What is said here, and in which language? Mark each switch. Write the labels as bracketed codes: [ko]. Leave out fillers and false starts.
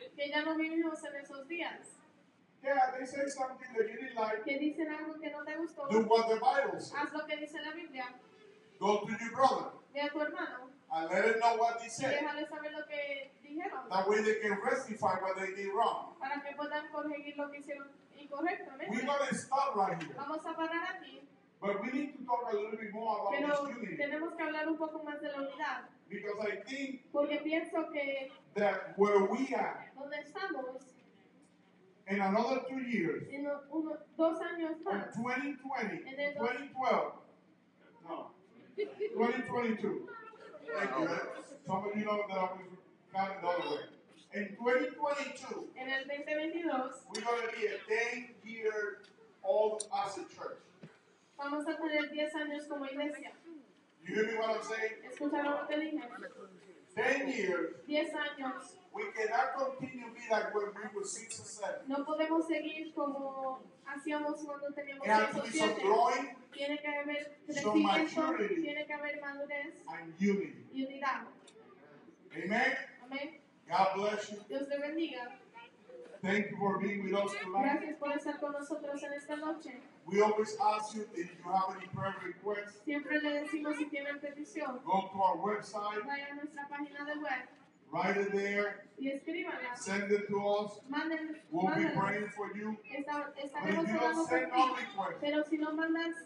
[es] Que ya no vivimos en esos días. [en] Yeah, they say something that you didn't like. [es] Que dicen algo que no te gustó. [en] Do what the Bible says. [es] Haz lo que dice la Biblia. [en] Go to your brother. [es] Ve a tu hermano. [en] And let him know what he said. [es] Y déjale saber lo que dijeron. [en] That way they can rectify what they did wrong. [es] Para que puedan corregir lo que hicieron incorrectamente. [en] We're going to stop right here. [es] Vamos a parar aquí. [en] But we need to talk a little bit more about [es] pero [en] this unity. [es] Tenemos que hablar un poco más de la unidad. [en] Because I think, [es] porque pienso que, [en] that where we are, [es] donde estamos, [en] in another 2 years, [es] en uno, dos años más, [en] in 2020, 2022. Thank you. Some of you know that I was counting the other way. In 2022, [es] en el 2022, [en] we're going to be a 10-year old as a church. [es] Vamos a tener 10 años como iglesia. [en] You hear me what I'm saying? [es] ¿Escucharon lo que dije? [en] 10 years. [es] 10 años. [en] We cannot continue be like when we were 6 or 7. [es] No podemos seguir como hacíamos cuando teníamos 6 o 7. Tiene que haber crecimiento, tiene que haber madurez. [en] And unity. [es] Unidad. [en] Amen. Amen. God bless you. [es] Dios te bendiga. [en] Thank you for being with us tonight. [es] Gracias por estar con nosotros en esta noche. [en] We always ask you if you have any prayer requests. [es] Siempre le decimos si tienen petición. [en] Go to our website. [es] Vaya a nuestra página de web. [en] Write it there. Send it to us. We'll be praying for you. But if you don't send no requests,